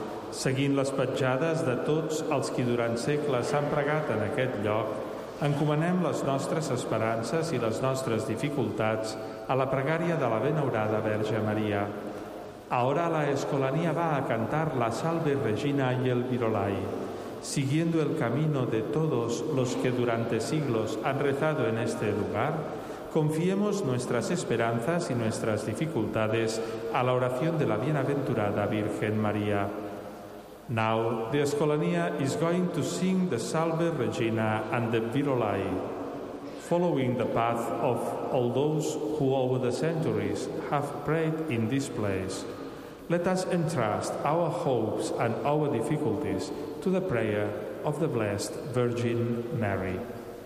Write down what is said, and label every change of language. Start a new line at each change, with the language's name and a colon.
Catalan: Seguint les petjades de tots els qui durant segles s'han pregat en aquest lloc, encomanem les nostres esperances i les nostres dificultats a la pregària de la Benaurada Verge Maria.
Spanish: Ahora la Escolania va a cantar la Salve Regina y el Virolai. Siguiendo el camino de todos los que durante siglos han rezado en este lugar, confiemos nuestras esperanzas y nuestras dificultades a la oración de la Bienaventurada Virgen María.
English: Now, the Escolania is going to sing the Salve Regina and the Virolai, following the path of all those who over the centuries have prayed in this place. Let us entrust our hopes and our difficulties to the prayer of the Blessed Virgin Mary.